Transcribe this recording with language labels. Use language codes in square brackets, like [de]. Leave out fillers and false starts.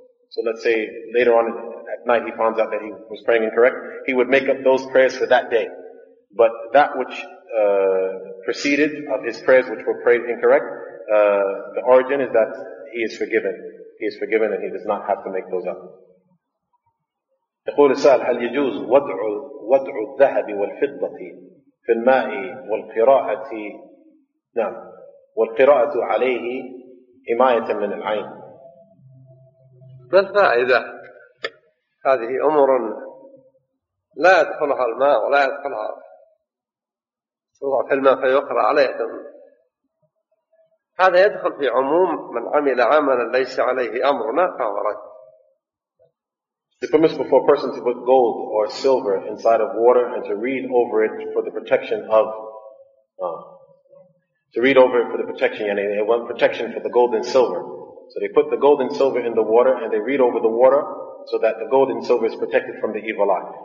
[en] So let's say later on at night he finds out that he was praying incorrect, he would make up those prayers for that day. But that which preceded of his prayers which were prayed incorrect, the origin is that he is forgiven. He is forgiven and he does not have to make those up. [ar] يقول السائل هل يجوز وضع الذهب والفضة في الماء والقراءة نعم والقراءة عليه حماية من العين؟ ما الفائدة؟ هذه أمور لا يدخلها الماء ولا يدخلها وضع في الماء فيقرأ عليه دم. هذا يدخل في عموم من عمل عملا ليس عليه أمرنا فهو رد. [en] It permits for a person to put gold or silver inside of water and to read over it for the protection of they want protection for the gold and silver. So they put the gold and silver in the water and they read over the water so that the gold and silver is protected from the evil eye.